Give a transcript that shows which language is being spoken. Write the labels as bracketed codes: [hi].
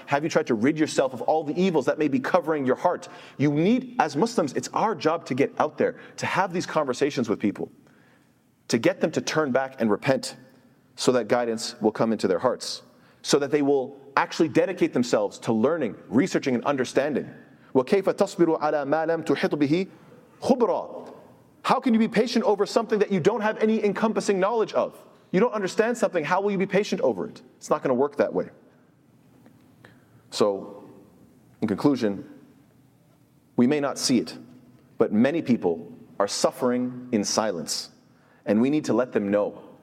[en] Have you tried to rid yourself of all the evils that may be covering your heart? You need, as Muslims, it's our job to get out there, to have these conversations with people, to get them to turn back and repent so that guidance will come into their hearts, so that they will actually dedicate themselves to learning, researching, and understanding. [ar] وَكَيْفَ تَصْبِرُ عَلَى مَا لَمْ تُحِطُ بِهِ خُبْرًا. [en] How can you be patient over something that you don't have any encompassing knowledge of? You don't understand something, how will you be patient over it? It's not going to work that way. So, in conclusion, we may not see it, but many people are suffering in silence, and we need to let them know.